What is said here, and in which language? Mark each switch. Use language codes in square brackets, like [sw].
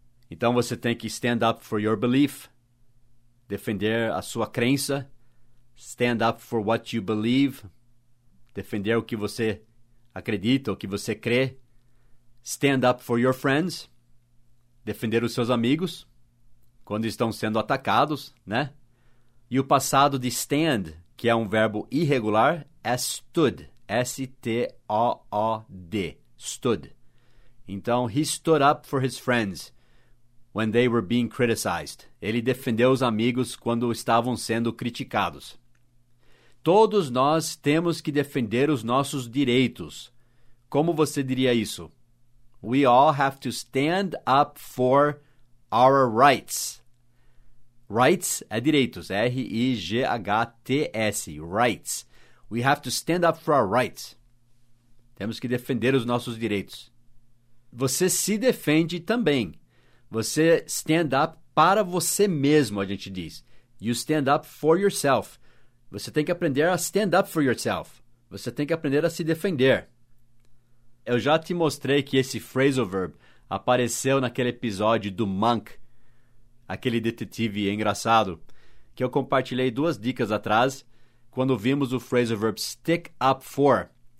[pt] Então você tem que [en] stand up for your belief, [pt] defender a sua crença, [en] stand up for what you believe, [pt] defender o que você acredita, o que você crê, [en] stand up for your friends, [pt] defender os seus amigos, quando estão sendo atacados, né? E o passado de stand, que é um verbo irregular, é stood, S-T-O-O-D, stood. Então, [en] he stood up for his friends when they were being criticized. [pt] Ele defendeu os amigos quando estavam sendo criticados. Todos nós temos que defender os nossos direitos. Como você diria isso? [en] We all have to stand up for our rights. [pt] Rights é direitos. R-I-G-H-T-S. Rights. [en] We have to stand up for our rights. [pt] Temos que defender os nossos direitos. Você se defende também. Você [en] stand up [pt] para você mesmo, a gente diz. [en] You stand up for yourself. [pt] Você tem que aprender a [en] stand up for yourself. [pt] Você tem que aprender a se defender. Eu já te mostrei que esse phrasal verb apareceu naquele episódio do Monk, aquele detetive engraçado, que eu compartilhei duas dicas atrás, quando vimos o phrasal verb stick up for.